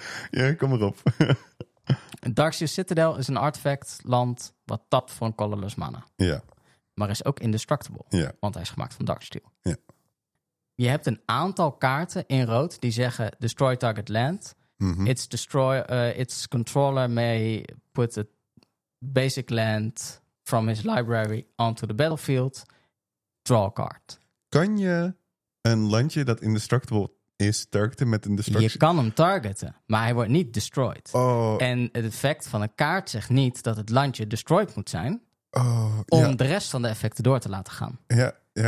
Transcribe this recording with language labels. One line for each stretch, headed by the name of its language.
Dutch: Ja, kom erop. Darksteel Citadel is een artifact land wat tapt voor een colorless mana. Ja. Maar is ook indestructible. Ja. Want hij is gemaakt van Darksteel. Ja. Je hebt een aantal kaarten in rood die zeggen
English: destroy target land. Mm-hmm. Its controller may put a basic land from his library onto the battlefield. Draw a card.
Dutch: Kan je een landje dat indestructible is targeten met een destruction? Je kan hem targeten, maar hij wordt niet destroyed. Oh. En het effect van een kaart zegt niet dat het landje destroyed moet zijn. Oh, om de rest van de effecten door te laten gaan. Ja, ja,